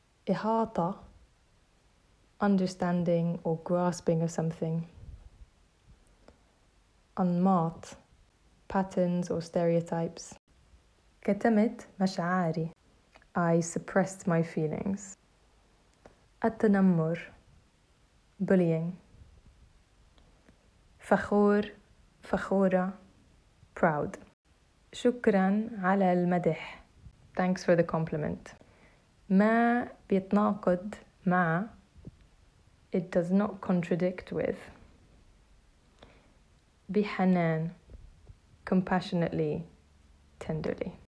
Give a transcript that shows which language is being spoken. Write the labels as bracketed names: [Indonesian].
[English] إحاطة, understanding or grasping of something. أنماط, patterns or stereotypes. [Arabic] كتمت مشاعري, [English] I suppressed my feelings. التنمر, bullying. [Arabic] فخور, فخورة, proud. شكرا على المدح, [English] thanks for the compliment. [Arabic] ما بيتناقض مع, [English] it does not contradict with. بحنان, compassionately, tenderly.